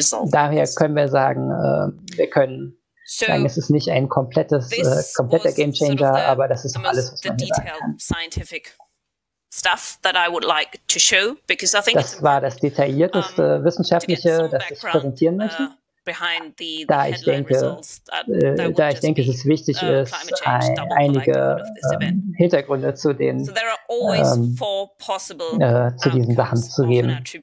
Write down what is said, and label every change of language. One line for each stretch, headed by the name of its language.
German: Daher können wir sagen, wir können sagen, es ist nicht ein kompletter Gamechanger, aber das ist alles, was man hier sagen kann.
English: Stuff that I would like to show, because I think
German: das war das detaillierteste Wissenschaftliche, das ich präsentieren möchte, da ich denke, es ist wichtig, einige Hintergründe zu den zu diesen Sachen zu geben.